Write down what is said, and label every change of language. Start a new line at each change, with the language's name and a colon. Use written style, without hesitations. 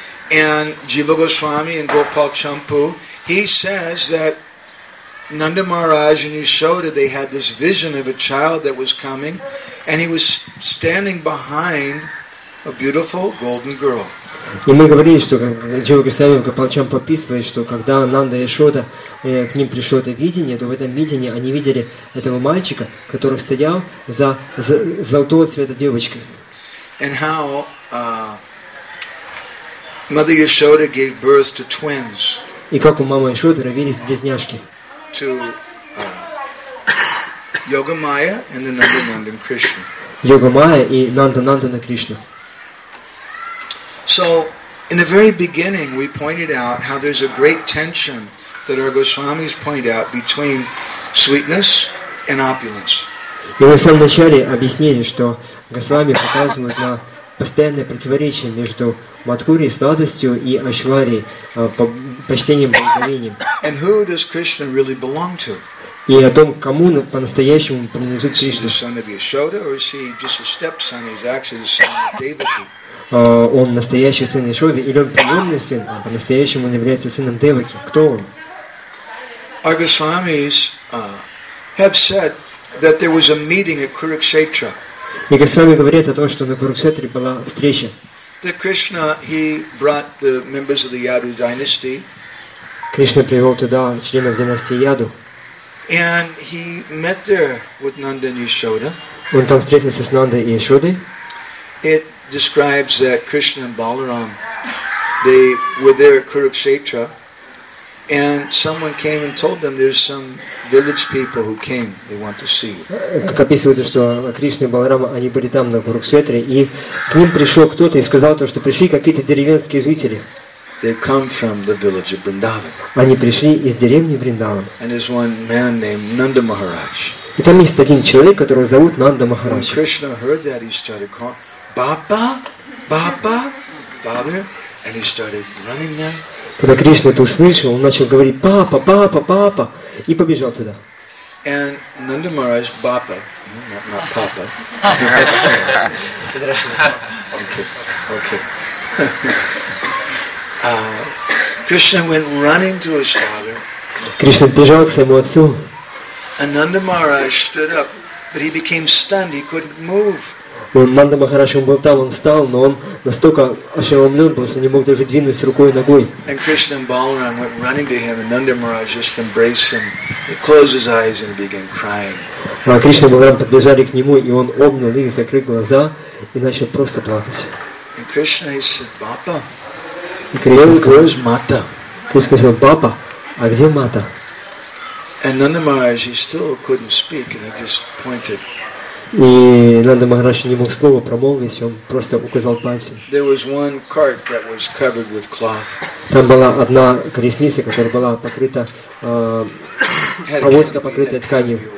English: And Jiva Goswami and Gopal Champu, he says that Nanda Maharaj and Yashoda, they had this vision of a child that was coming, and he was standing behind a beautiful golden girl.
Russian: И мы говорили, что Джива Госвами и Гопал Чампу описывает, что когда Нанда Яшода к ним пришло это видение, то в этом видении они видели этого мальчика, который стоял за золотого цвета девочкой.
English: And how Mother Yashoda gave birth to twins.
Russian: И как у мамы Яшоды родились близняшки.
English: To Yogamaya and the Nanda Nandan Krishna.
Russian: Йогамая и Нанда Нандана Кришна.
English: So, in the very beginning, we pointed out how there's a great tension that our Goswamis point out between sweetness and opulence.
Russian: И мы в самом начале объяснили, что Госвами показывают на постоянное противоречие между Мадхурой, сладостью, и Айшварьей, почтением, благоговением.
English: And who does Krishna really belong to?
Russian: И о том, кому по-настоящему принадлежит Кришна.
English: Is he the son of Yashoda, or is he just a stepson? He's actually the son of Devaki.
Russian: Он настоящий сын Яшоды, или он приемный сын, а по-настоящему он является сыном Деваки. Кто он?
English: Our Goswamis have said that there was a meeting at Kurukshetra.
Russian: И Госвами говорит о том, что на Курукшетре была встреча.
English: That Krishna, he brought the members of the Yadu dynasty.
Russian: Кришна привел туда членов династии Яду.
English: And he met there with Nanda and Yashoda.
Russian: Он там встретился с Нандой и Яшодой.
English: It describes that Krishna and Balaram, they were there at Kurukshetra, and someone came and told them there's some village people who came, they want to see you.
Russian: Как описывается, что Кришна и Баларама, они были там на Курукшетре, и к ним пришел кто-то и сказал то, что пришли какие-то деревенские жители.
English: They come from the village of Vrindavan.
Russian: Они пришли из деревни Вриндаван.
English: And there's one man named Nanda Maharaj.
Russian: И там есть один человек, которого зовут Нанда Махарадж.
English: When Krishna heard that, he started calling, Baba, Baba, Father, And he started running there.
Russian: Когда Кришна это услышал, он начал говорить: "Папа, папа, папа!" и побежал туда.
English: And Nanda Maharaj, Bapa, not Papa. Krishna went running to his father.
Russian: Кришна бежал к своему отцу.
English: And Nanda Maharaj stood up, but he became stunned. He couldn't move.
Russian: Но Нанда Махарадж, он был там, он встал, но он настолько ошеломлен был, что не мог даже двинуться рукой и ногой.
English: And Krishna and Balaram went running to him, and Nanda Maharaj just embraced him. He closed his eyes and began crying.
Russian: А Кришна и Баларам подбежали к нему, и он обнял их, закрыл глаза и начал просто плакать.
English: And Krishna said, "Papa."
Russian: И Кришна сказал:
English: "Where is Mata?"
Russian: Кришна сказал: "Papa, а где Mata?"
English: And Nanda Maharaj, he still couldn't speak, and he just pointed.
Russian: И Нанда Махараджа не мог слова промолвить, он просто указал пальцем. Там была одна колесница, которая была покрыта, повозка покрытая тканью.